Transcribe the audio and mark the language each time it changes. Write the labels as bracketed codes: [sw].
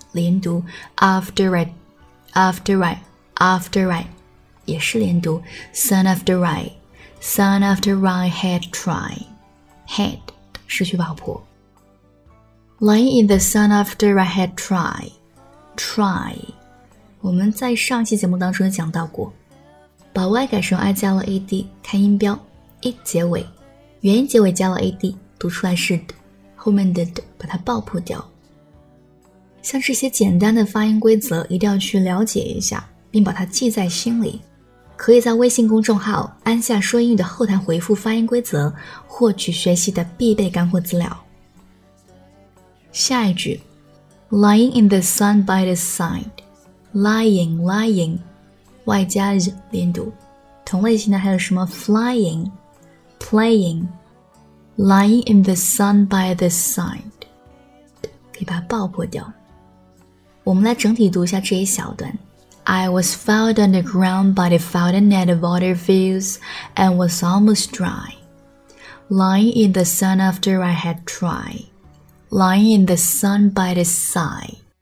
[zh] 连读 After I, 也是连读 [en] Sun after I had tried. Had, [zh] 失去爆破 [en] Lying in the sun after I had tried. [zh] 我们在上期节目当中也讲到过，把 Y 改成 I 加了 AD， 看音标 I 结尾，元音结尾加了 AD， 读出来是 D， 后面的 D 把它爆破掉。像这些简单的发音规则一定要去了解一下并把它记在心里，可以在微信公众号安夏说英语的后台回复发音规则获取学习的必备干货资料。下一句 [en] Lying in the sun by the sideLying, [zh] Y 加 Z 连读，同类型的还有什么 flying, playing, [en] lying in the sun by the side, [zh] 可以把它爆破掉。我们来整体读一下这一小段。 [en] I was found on the ground by the fountain at the water fields and was almost dry, lying in the sun after I had tried, lying in the sun by the side.